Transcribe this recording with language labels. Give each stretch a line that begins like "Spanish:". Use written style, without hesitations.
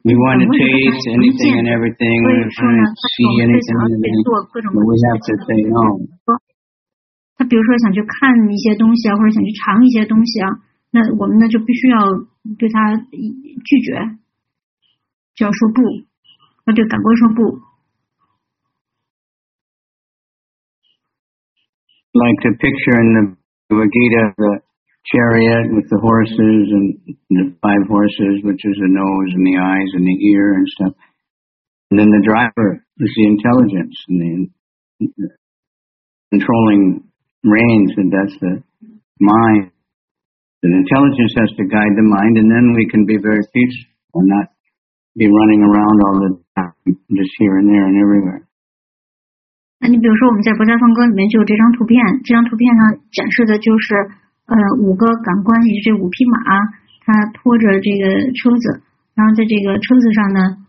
Chinese: 我们
English: want to taste anything and everything, we want to see anything and everything, but we have to say no.
Chinese: 他比如说想去看一些东西啊，或者想去尝一些东西啊，那我们呢就必须要对他拒绝，就要说不，要对感官说不。
English: Like the picture in the Bhagavad Gita, the chariot with the horses and the five horses, which is the nose and the eyes and the ear and stuff. And then the driver is the intelligence and the controlling reins, and that's the mind. The intelligence has to guide the mind, and then we can be very peaceful and not be running around all the time, just here and there and everywhere.
Chinese: 那你比如说我们在《佛家颂歌》里面就有这张图片上展示的就是五个感官，也是这五匹马，它拖着这个车子，然后在这个车子上呢，